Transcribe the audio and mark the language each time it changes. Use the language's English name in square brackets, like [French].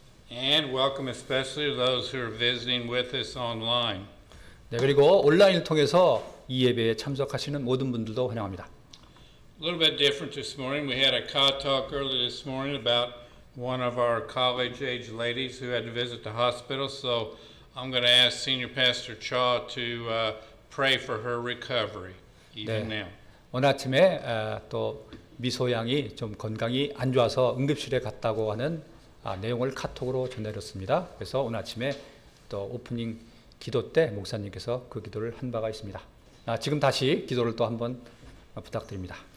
[English] And welcome especially to those who are visiting with us online. [Korean] 네, 그리고 온라인을 통해서 이 예배에 참석하시는 모든 분들도 환영합니다. [English] A little bit different this morning. We had a car talk earlier this morning about one of our college-age ladies who had to visit the hospital. So I'm going to ask Senior Pastor Cha to pray for her recovery even [Korean] 네. [English] now. [Korean] 오늘 아침에 또 미소양이 좀 건강이 안 좋아서 응급실에 갔다고 하는 내용을 카톡으로 전해드렸습니다. 그래서 오늘 아침에 또 오프닝 기도 때 목사님께서 그 기도를 한 바가 있습니다. 지금 다시 기도를 또 한번 부탁드립니다.